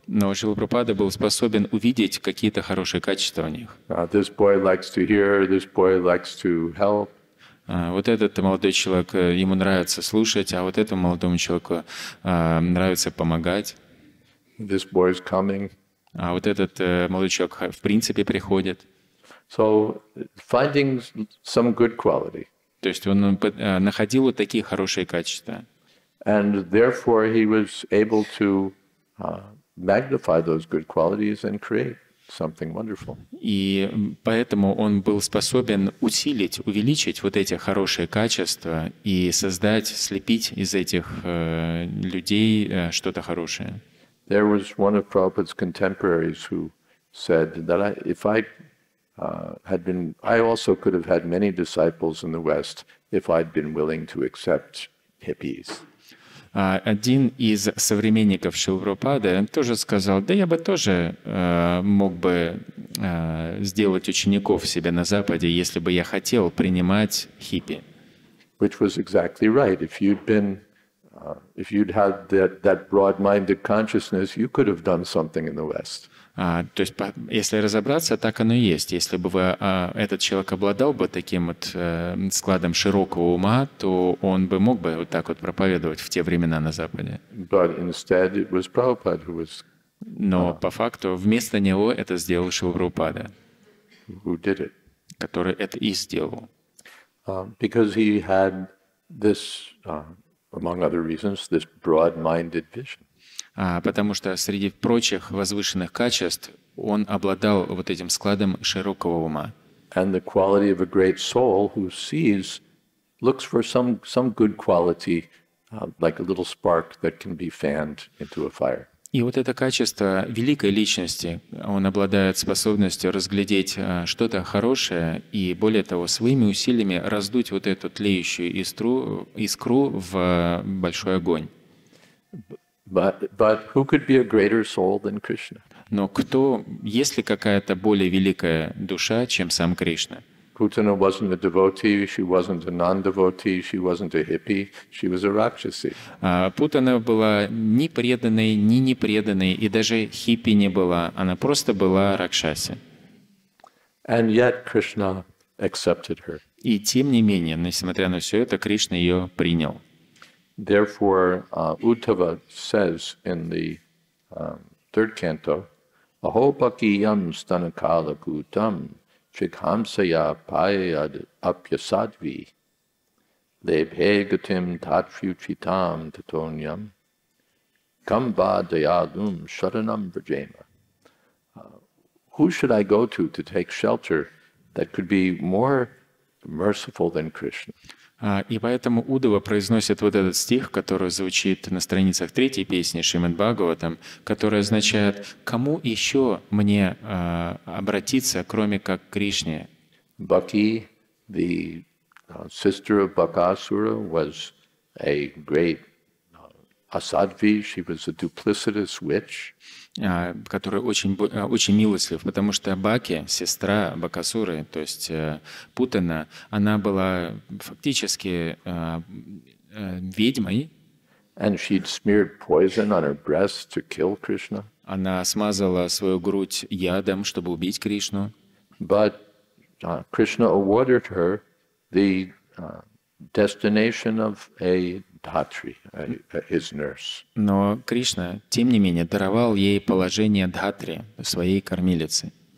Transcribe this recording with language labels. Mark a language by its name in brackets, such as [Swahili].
[Russian] Но Шрила Прабхупада был способен увидеть какие-то хорошие качества в них. [English] This boy likes to hear, this boy likes to help. [Russian] Вот этот молодой человек, ему нравится слушать, а вот этому молодому человеку нравится помогать. [English] This boy is coming. [Russian] А вот этот молодой человек в принципе приходит. [English] So, finding some good quality. [Russian] То есть он находил вот такие хорошие качества. [English] And therefore he was able to magnify those good qualities and create. Something wonderful. [Russian] И поэтому он был способен усилить, увеличить вот эти хорошие качества и создать, слепить из этих людей что-то хорошее. [English] There was one of Prabhupada's contemporaries who said that I also could have had many disciples in the West if I'd been willing to accept hippies. [Russian] Один из современников Шрилы Прабхупады тоже сказал, да я бы тоже мог бы сделать учеников себе на Западе, если бы я хотел принимать хиппи. [English] Which was exactly right. If you'd been, if you'd had that broad-minded consciousness, you could have done something in the West. [Russian] То есть, если разобраться, так оно и есть. Если бы этот человек обладал бы таким вот складом широкого ума, то он бы мог бы вот так вот проповедовать в те времена на Западе. [English] But instead it was Prabhupada who was, [Russian] Но по факту вместо него это сделал Шрила Прабхупада, [English] who did it. [Russian] Который это и сделал. [English] Because he had this, among other reasons, this broad-minded vision. [Russian] Потому что среди прочих возвышенных качеств он обладал вот этим складом широкого ума. [English] And the quality of a great soul who sees, looks for some good quality, like a little spark that can be fanned into a fire. [Russian] И вот это качество великой личности, он обладает способностью разглядеть что-то хорошее и, более того, своими усилиями раздуть вот эту тлеющую искру в большой огонь. [English] But who could be a greater soul than Krishna? [Russian] Но кто, есть ли какая-то более великая душа, чем сам Кришна? [English] Путина wasn't a devotee, she wasn't a non-devotee, she wasn't a hippie, she was a rakshasi. [Russian] Путина была ни преданной, ни непреданной, и даже хиппи не была, она просто была ракшаси. [English] And yet Krishna accepted her. [Russian] И тем не менее, несмотря на все это, Кришна ее принял. [English] Therefore, Uttava says in the third canto, [Sanskrit] Aho bhakiyam stanakala bhutam chikhamsaya payad apyasadvi Лебхе гатим татфью читам татоньям, камба даядум шаранам браджема. [English] Who should I go to take shelter that could be more merciful than Krishna? [Russian] И поэтому Удава произносит вот этот стих, который звучит на страницах третьей песни Шримад-Бхагаватам, который означает, кому еще мне обратиться, кроме как к Кришне. [English] Баки, the sister of Бакасура, was a great asadvi, she was a duplicitous witch. [Russian] Который очень, очень милостлив, потому что Баки, сестра Бакасуры, то есть Путана, она была фактически ведьмой. [English] And she'd smeared poison on her breast to kill Krishna. [Russian] Она смазала свою грудь ядом, чтобы убить Кришну. [English] But Krishna awarded her the destination of a Дхатри, his nurse. [Russian] Но Кришна, тем не менее, даровал ей положение Дхатри, своей кормилицы.